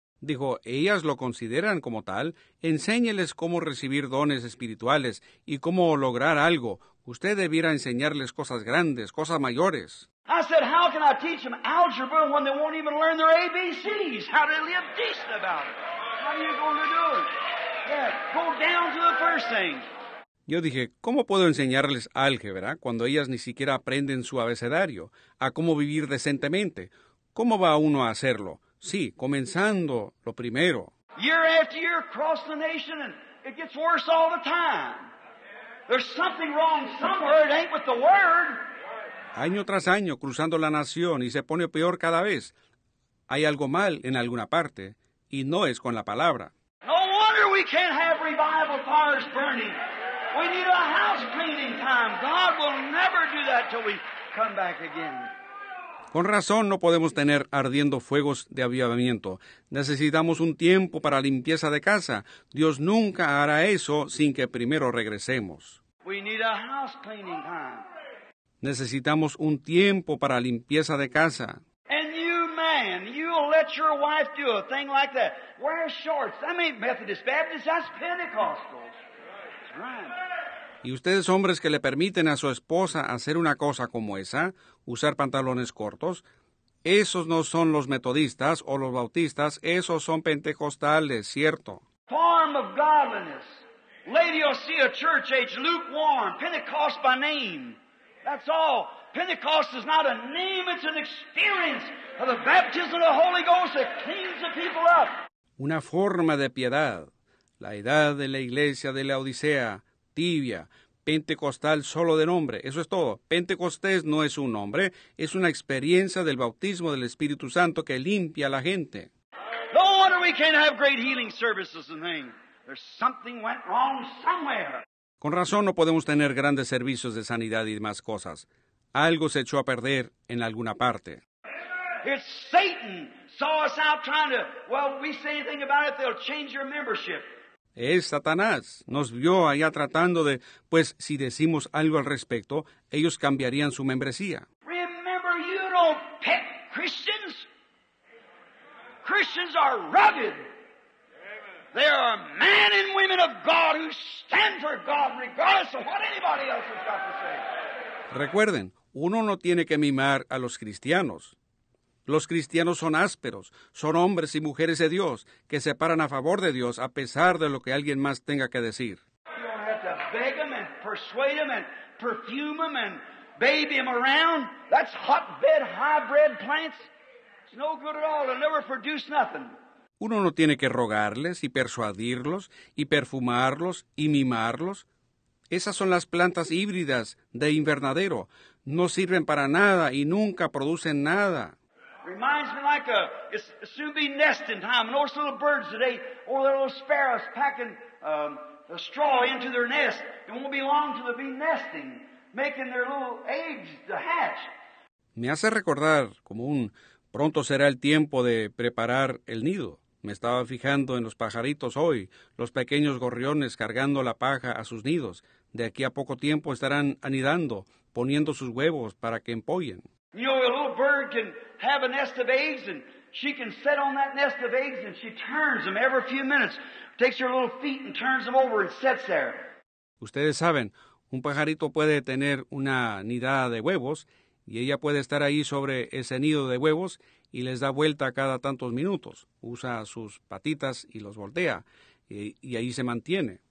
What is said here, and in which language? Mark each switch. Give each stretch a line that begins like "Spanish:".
Spanish: Dijo, ellas lo consideran como tal. Enséñeles cómo recibir dones espirituales y cómo lograr algo. Usted debiera enseñarles cosas grandes, cosas mayores.
English: I said, how can I teach them algebra when they won't even learn their ABCs? How to live decent about it? How are you going to do it? Yeah, go down to the first thing.
Spanish: Yo dije, ¿cómo puedo enseñarles álgebra cuando ellas ni siquiera aprenden su abecedario? ¿A cómo vivir decentemente? ¿Cómo va uno a hacerlo? Sí, comenzando lo primero.
English: Year after year across the nation and it gets worse all the time. There's something wrong somewhere. It ain't with the word.
Spanish: Año tras año cruzando la nación y se pone peor cada vez. Hay algo mal en alguna parte y no es con la palabra.
English: No wonder we can't have revival fires burning. We need a house cleaning time. God will never do that till we come back again.
Spanish: Con razón no podemos tener ardiendo fuegos de avivamiento. Necesitamos un tiempo para limpieza de casa. Dios nunca hará eso sin que primero regresemos.
English: We need a house cleaning time.
Spanish: Necesitamos un tiempo para limpieza de casa.
English: And you man, you'll let your wife do a thing like that. Wear shorts. That ain't Methodist, Baptist, that's Pentecostals.
Spanish: Y ustedes, hombres, que le permiten a su esposa hacer una cosa como esa, usar pantalones cortos, esos no son los metodistas o los bautistas, esos son pentecostales, ¿cierto?
English: Form of godliness. Laodicea church age, lukewarm, Pentecost by name. That's all. Pentecost is not a name, it's an experience of the baptism of the Holy Ghost that cleans the people up.
Spanish: Una forma de piedad. La edad de la iglesia de Laodicea, tibia, pentecostal solo de nombre. Eso es todo. Pentecostés no es un nombre, es una experiencia del bautismo del Espíritu Santo que limpia a la gente.
English: No wonder we can't have great healing services and things. There's something went wrong somewhere.
Spanish: Con razón no podemos tener grandes servicios de sanidad y demás cosas. Algo se echó a perder en alguna parte.
English: It's Satan saw us out trying to, well, if we say anything about it, they'll change your membership.
Spanish: Es Satanás. Nos vio allá tratando de, pues, si decimos algo al respecto, ellos cambiarían su membresía.
English: Remember, you don't pet Christians. Christians are rugged. They are men and women of God who stand for God regardless of what anybody else has got to say.
Spanish: Recuerden, uno no tiene que mimar a los cristianos. Los cristianos son ásperos, son hombres y mujeres de Dios que se paran a favor de Dios a pesar de lo que alguien más tenga que decir.
English: You don't have to beg them and persuade them and perfume them and baby them around. That's hotbed hybrid plants. It's no good at all. They'll never produce nothing.
Spanish: Uno no tiene que rogarles y persuadirlos y perfumarlos y mimarlos. Esas son las plantas híbridas de invernadero. No sirven para nada y nunca producen nada.
English: Reminds me like a, it's soon be nesting time. Those little birds today, or the little sparrows packing a straw into their nest. It won't be long till they'll be nesting, making their little eggs to hatch.
Spanish: Me hace recordar como un pronto será el tiempo de preparar el nido. Me estaba fijando en los pajaritos hoy, los pequeños gorriones cargando la paja a sus nidos. De aquí a poco tiempo estarán anidando, poniendo sus huevos para que empollen.
English: You know, a little bird can have a nest of eggs, and she can sit on that nest of eggs, and she turns them every few minutes. Takes her little feet and turns them over and sits there.
Spanish: Ustedes saben, un pajarito puede tener una nidada de huevos, y ella puede estar ahí sobre ese nido de huevos, y les da vuelta cada tantos minutos. Usa sus patitas y los voltea, y ahí se mantiene.